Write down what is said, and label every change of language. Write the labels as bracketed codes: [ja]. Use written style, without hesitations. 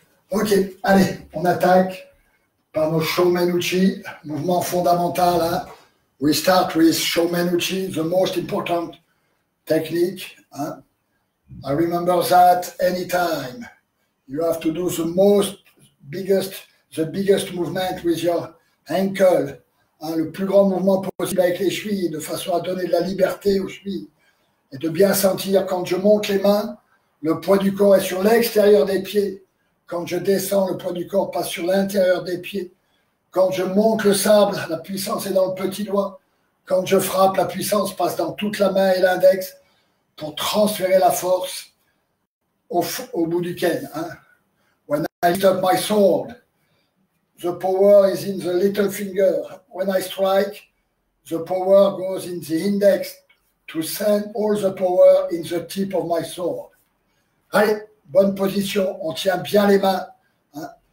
[fr] Ok, allez, on attaque par nos Chōmen-uchi, mouvement fondamental. Hein. [en] We start with Chōmen-uchi, the most important technique. Hein. I remember that anytime. You have to do the biggest movement with your ankle. [fr] Hein, le plus grand mouvement possible avec les chevilles, de façon à donner de la liberté aux chevilles. Et de bien sentir quand je monte les mains, le poids du corps est sur l'extérieur des pieds. Quand je descends, le poids du corps passe sur l'intérieur des pieds. Quand je monte le sable, la puissance est dans le petit doigt. Quand je frappe, la puissance passe dans toute la main et l'index pour transférer la force au bout du ken. Hein. [en] When I lift up my sword, the power is in the little finger. When I strike, the power goes in the index to send all the power in the tip of my sword. [fr] Allez. Bonne position, on tient bien les mains. Hein.